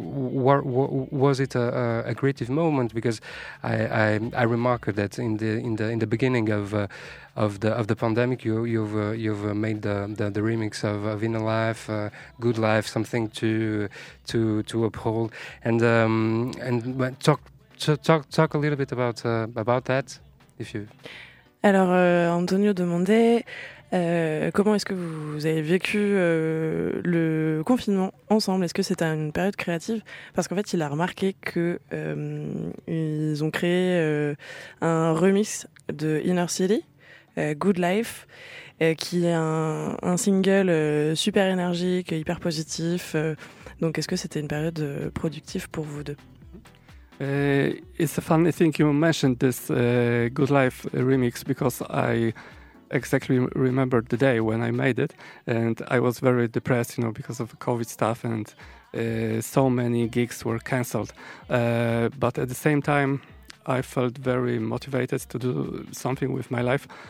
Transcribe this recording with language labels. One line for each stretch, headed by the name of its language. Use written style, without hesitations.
English: Was it a creative moment? Because I remarked that in the beginning of the pandemic, you've made the remix of Inner Life, Good Life, something to uphold, and talk a little bit about that, if you.
French: Alors, Antonio demandait comment est-ce que vous avez vécu le confinement ensemble. Est-ce que c'était une période créative? Parce qu'en fait, il a remarqué que ils ont créé un remix de Inner City. Good Life, qui est un single super énergique, hyper positif. Donc, est-ce que c'était une période productive pour vous deux?
English: It's a funny thing you mentioned this Good Life remix, because I exactly remember the day when I made it, and I was very depressed, you know, because of the COVID stuff, and so many gigs were cancelled. But at the same time, I felt very motivated to do something with my life.